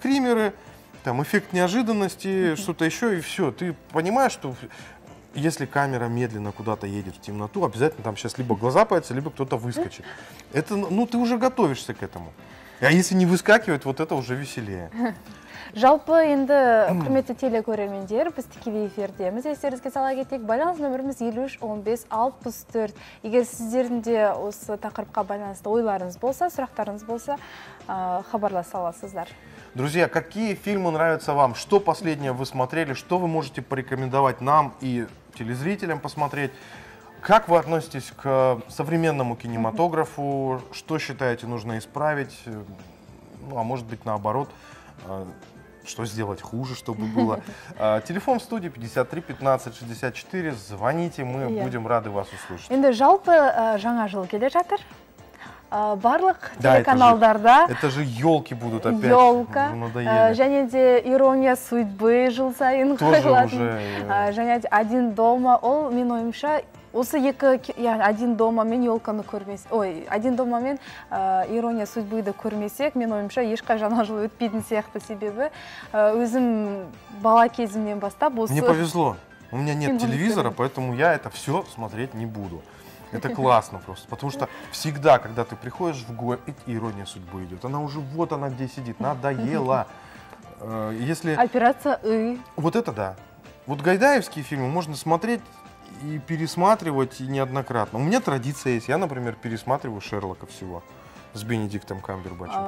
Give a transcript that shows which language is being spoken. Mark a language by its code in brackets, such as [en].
[ru] Скримеры, там, эффект неожиданности, что-то еще, и все. Ты понимаешь, что если камера медленно куда-то едет в темноту, обязательно там сейчас либо глаза появятся, либо кто-то выскочит. Это, ну, ты уже готовишься к этому. А если не выскакивает, вот это уже веселее. [kk] Жалпы енді құрметті телекөрермендер, біз тікелей эфирдеміз. Естеріңізге сала кетейік, байланыс нөміріміз 53-15-64. Егер сіздердің де осы тақырыпқа байланысты ойларыңыз болса, сұрақтарыңыз болса, хабарласа аласыздар. [ru] Друзья, какие фильмы нравятся вам? Что последнее вы смотрели? Что вы можете порекомендовать нам и телезрителям посмотреть? Как вы относитесь к современному кинематографу? Что считаете нужно исправить? Ну, а может быть наоборот? Что сделать хуже, чтобы было. Телефон в студии 53 15 64. Звоните, мы будем рады вас услышать. [kk] Енді жалпы жаңа жыл келе жатыр. Барлық телеканалдарда. [ru] Это же елки будут опять. [kk] Елка. Және де «Ирония судьбы» жыл сайын. [ru] Тоже уже. [kk] Және де «Один дома». Ол мен ойымша осы екі, «Один дома» мен «Елканы» көрмесе, ой, «Один дома» мен «Ирония судьбы»ды көрмесек, мен ойымша ешқай жаңа жылы өтпейдің сияқты, себебі өзім бала кезімнен бастап осы... [ru] Мне повезло, у меня нет телевизора, поэтому я это все смотреть не буду. Это классно просто, потому что всегда, когда ты приходишь в гости, «Ирония судьбы» идет, она уже вот она где сидит, надоела. Если... Операция «И». Вот это да. Вот гайдаевские фильмы можно смотреть... И пересматривать и неоднократно. У меня традиция есть. Я, например, пересматриваю «Шерлока» всего с Бенедиктом Камбербэтчем.